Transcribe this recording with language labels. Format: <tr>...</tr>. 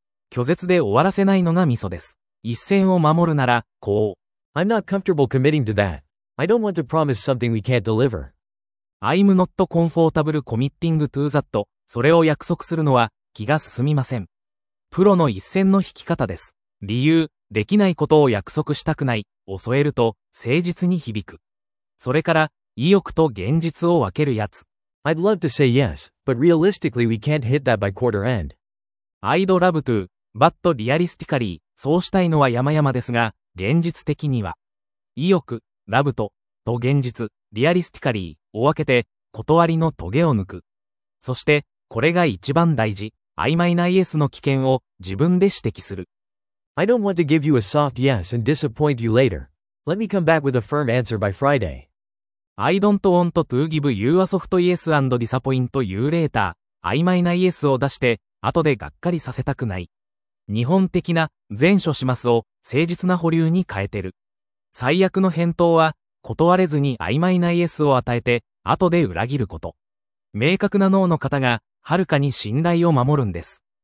<ja>拒絶で終わらせないのがミソです。一線を守るなら、こう。</ja> <en>I'm not comfortable committing to that. I don't want to promise something we can't deliver. I'm not comfortable committing to that.</en> <ja>それを約束するのは、気が進みません。プロの一線の引き方です。理由、できないことを約束したくない、を添えると、誠実に響く。それから、意欲と現実を分けるやつ。</ja> <en>I'd love to say yes, but realistically we can't hit that by quarter end. I'd love to, but realistically,</en> <ja>そうしたいのは山々ですが、現実的には。意欲、love と、と現実、realistically, を分けて、断りの棘を抜く。そして、これが一番大事。曖昧なイエスの危険を自分で指摘する。</ja> <en>I don't want to give you a soft yes and disappoint you later. Let me come back with a firm answer by Friday. I don't want to give you a soft yes and disappoint you later.</en> <ja>曖昧なイエスを出して、後でがっかりさせたくない。日本的な、善処しますを誠実な保留に変えてる。最悪の返答は、断れずに曖昧なイエスを与えて、後で裏切ること。明確なノーの方が、はるかに信頼を守るんです。</ja>